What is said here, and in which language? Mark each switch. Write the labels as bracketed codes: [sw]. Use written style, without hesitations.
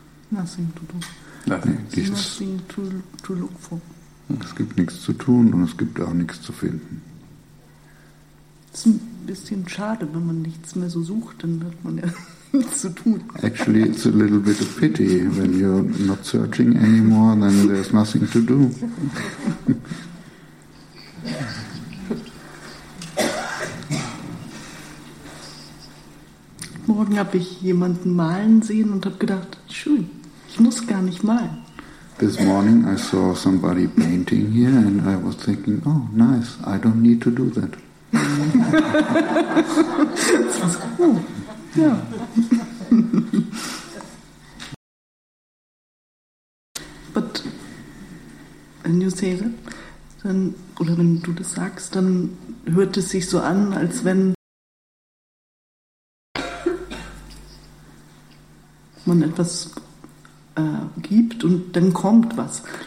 [en] Nothing to do. Nothing to look for. [de] Es gibt nichts zu tun und es gibt auch nichts zu finden. Es ist ein bisschen schade, wenn man nichts mehr so sucht, dann wird man ja nichts zu tun. [en] Actually, it's a little bit of pity. When you're not searching anymore, then there's nothing to do. [de] Morgen habe ich jemanden malen sehen und habe gedacht, schön, ich muss gar nicht malen. [en] This morning I saw somebody painting here and I was thinking, oh, nice, I don't need to do that. [de] Das war's cool. Ja. [en] But when you say that, [de] dann, oder wenn du das sagst, dann hört es sich so an, als wenn man etwas gibt und dann kommt was.